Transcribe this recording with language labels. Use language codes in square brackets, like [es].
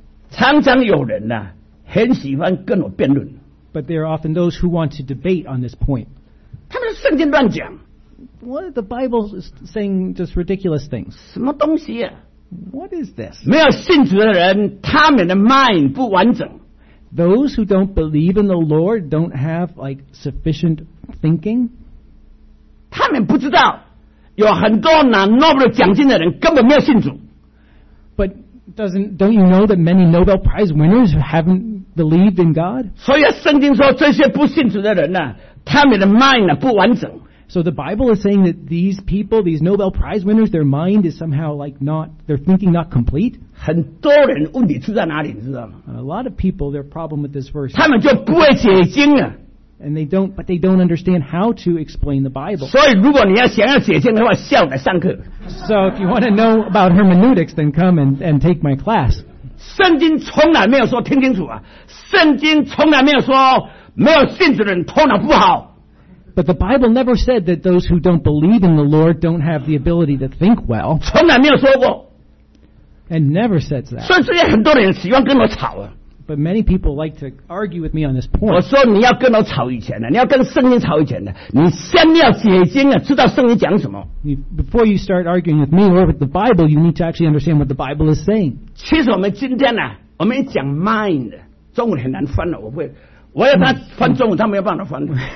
[zh] 常常有人啊,很喜欢跟我辩论。 [en] But there are often those who want to debate on this point. [zh] 他们圣经乱讲。 [en] What the Bible is saying just ridiculous things. [zh] 什么东西啊? [en] What is this? [zh] 没有信主的人，他们的 mind 不完整。 [en] Those who don't believe in the Lord don't have like sufficient thinking. [zh] 他们不知道，有很多拿诺贝尔奖金的人根本没有信主。 [en] But don't you know that many Nobel Prize winners haven't believed in God? [zh] 所以圣经说这些不信主的人呢，他们的 mind 不完整。 [en] So the Bible is saying that these people, these Nobel Prize winners, their mind is somehow like not, their thinking not complete. [zh] 很多人问题出在哪里，你知道吗? [en] A lot of people, their problem with this verse. [zh] 他们就不会解经啊。 [en] And they don't, but they don't understand how to explain the Bible. [zh] 所以如果你要想要解经的话，下午来上课。 [en] So if you want to know about hermeneutics, then come and take my class. [zh] 圣经从来没有说，听清楚啊，圣经从来没有说没有信主的人头脑不好。 [en] But the Bible never said that those who don't believe in the Lord don't have the ability to think well. [zh] 从来没有说过。 [en] And never said that. [zh] 所以这些很多人喜欢跟我吵啊。 [en] But many people like to argue with me on this point. [zh] 我说你要跟我吵以前呢，你要跟圣经吵以前呢，你先要解经啊，知道圣经讲什么。 [en] Before you start arguing with me or with the Bible, you need to actually understand what the Bible is saying. [zh] 其实我们今天呢，我们讲 mind， 中文很难翻了，我会。我要他翻中文，他没有办法翻。